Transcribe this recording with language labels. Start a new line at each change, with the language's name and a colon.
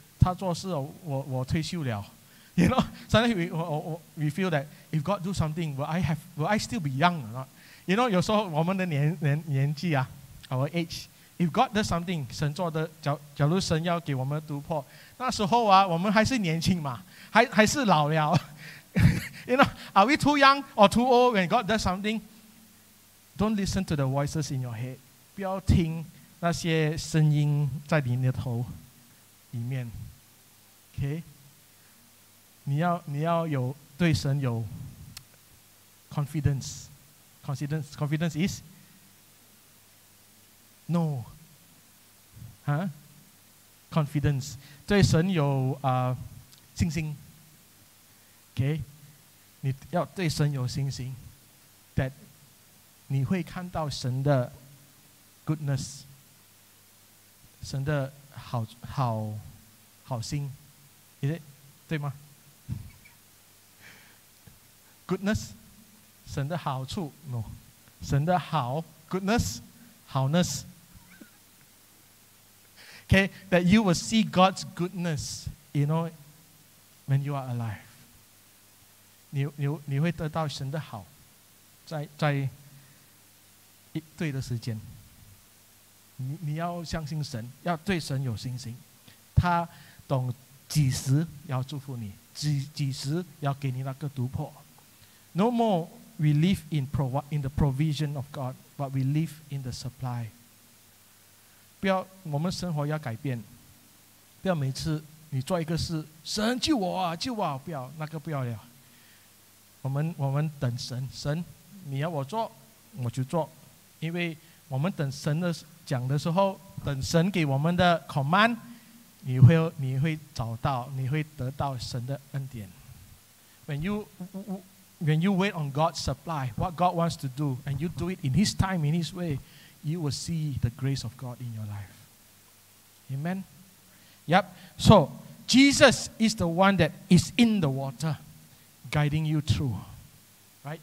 Chinese: 他做事我退休了。
English: You know, sometimes we feel that if God do something, will I still be young or not? You know,
Chinese: 有时候我们的年纪啊,
English: our age, If God does something,
Chinese: 神做的，假如神要给我们突破, 那时候啊, 我们还是年轻嘛, 还是老了, you know,
English: are we too young or too old when God does something? Don't listen to the voices in your head.
Chinese: 不要听那些声音在你的头里面。 Okay? 你要有对神有 confidence.
English: Confidence is no. Huh? Confidence.
Chinese: 对神有 信心.Okay? 你要对神有信心 that 你会看到神的 goodness, 神的好心, is it? 对吗? Goodness, 神的好处, no. 神的好, goodness, 好ness.
English: Okay, that you will see God's goodness, you know, when you are alive.
Chinese: 你会得到神的好, 在 对的时间, 你要相信神, 要对神有信心, 他懂几时要祝福你, 几时要给你那个突破。
English: No more we live in the provision of God, but we live in the supply.
Chinese: 不要, 我们生活要改变, 不要每次你做一个事, 神救我啊, 救我啊, 不要, 那个不要了。我们等神, 神, 你要我做, 我就做, 因为 我们等神的讲的时候, 等神给我们的 command, 你会找到, 你会得到神的恩典。
English: When you wait on God's supply, what God wants to do, and you do it in His time, in His way, you will see the grace of God in your life. Amen? Yep. So, Jesus is the one that is in the water, guiding you through, right?